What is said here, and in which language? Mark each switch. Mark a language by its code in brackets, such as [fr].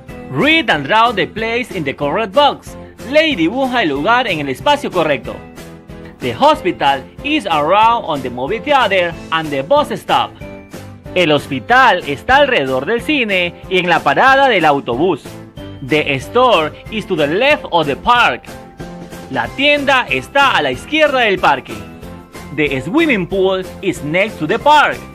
[en] Read and draw the place in the correct box. [es] Lee y dibuja el lugar en el espacio correcto. [en] The hospital is around on the movie theater and the bus stop. [es] El hospital está alrededor del cine y en la parada del autobús. [en] The store is to the left of the park. [es] La tienda está a la izquierda del parque. [en] The swimming pool is next to the park.